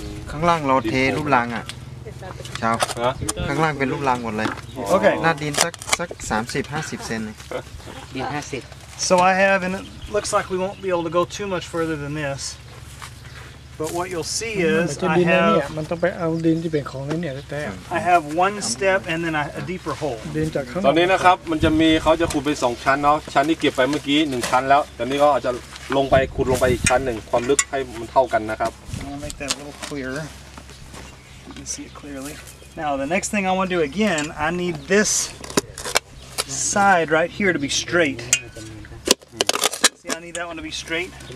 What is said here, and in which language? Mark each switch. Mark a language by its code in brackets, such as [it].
[th] ข้างล่างเราเทรุ่นรางอ่ะครับข้างล่างเป็นรูปรางหมดเลย โอเค หน้าดินสัก 30-50 ซมนี่ดิน50 [en] So I have and it looks like we won't be able to go too much further than this but what you'll see is I have [th] มันต้องไปเอาดินที่เป็นของนี้เนี่ยแต่ [en] I have one step and then a deeper hole [th] ดินจากข้าง ตอนนี้นะครับมันจะมีเขาจะขุดไป2ชั้นเนาะชั้นที่เก็บไปเมื่อกี้1ชั้นแล้วตอนนี้ก็อาจจะลงไปขุดลงไปอีกชั้นหนึ่งความลึกให้มันเท่ากันนะครับ [en] Make that a little clearerSee it clearly. Now the next thing I want to do again, I need this side right here to be straight. See, I need that one to be straight.